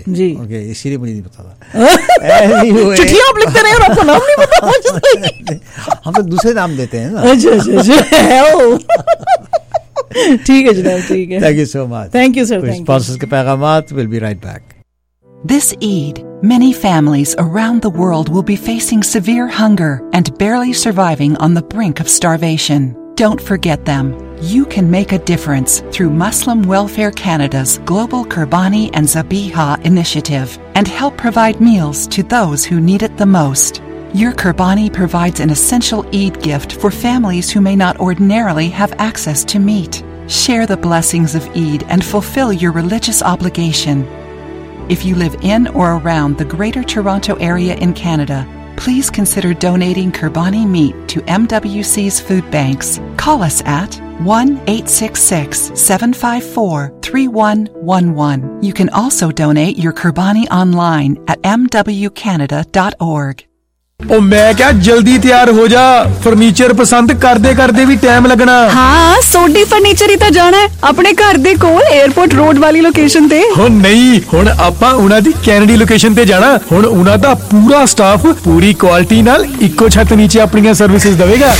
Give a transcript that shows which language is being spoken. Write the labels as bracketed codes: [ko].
[ur] جی, okay, اسی لیے مجھے نہیں پتا تھا. چٹھیاں آپ لکھتے رہے اور آپ کا نام نہیں پتا, ہم تو دوسرے نام دیتے ہیں نا. اچھا اچھا, ٹھیک ہے جناب, ٹھیک ہے, [en] Thank you so much, thank you sir. [ur] Sponsors کے پیغامات, [en] Will be right back. This Eid, many families around the world will be facing severe hunger and barely surviving on the brink of starvation. Don't forget them. You can make a difference through Muslim Welfare Canada's Global Qurbani and Zabiha initiative and help provide meals to those who need it the most. Your Qurbani provides an essential Eid gift for families who may not ordinarily have access to meat. Share the blessings of Eid and fulfill your religious obligation. If you live in or around the Greater Toronto Area in Canada, please consider donating Qurbani meat to MWC's food banks. Call us at 1-866-754-3111. You can also donate your Qurbani online at mwcanada.org. [pa] ਓ ਮੈਂ ਕਿਹਾ ਜਲਦੀ ਤਿਆਰ ਹੋ ਜਾ, furniture ਪਸੰਦ ਕਰਦੇ ਕਰਦੇ ਵੀ time ਲੱਗਣਾ. ਹਾਂ ਸੋਡੀ ਫਰਨੀਚਰ ਹੀ ਤਾਂ ਜਾਣਾ ਹੈ ਆਪਣੇ ਘਰ ਦੇ ਕੋਲ ਏਅਰਪੋਰਟ ਰੋਡ ਵਾਲੀ ਲੋਕੇਸ਼ਨ ਤੇ. ਹੁਣ ਨਹੀਂ, ਹੁਣ ਆਪਾਂ ਉਹਨਾਂ ਦੀ ਕੈਨੇਡੀ ਲੋਕੇਸ਼ਨ ਤੇ ਜਾਣਾ, ਹੁਣ ਉਹਨਾਂ ਦਾ ਪੂਰਾ ਸਟਾਫ ਪੂਰੀ ਕੁਆਲਿਟੀ ਨਾਲ ਇੱਕੋ ਛੱਤ ਨੀਚੇ ਆਪਣੀਆਂ ਸਰਵਿਸਿਜ਼ ਦੇਵੇਗਾ.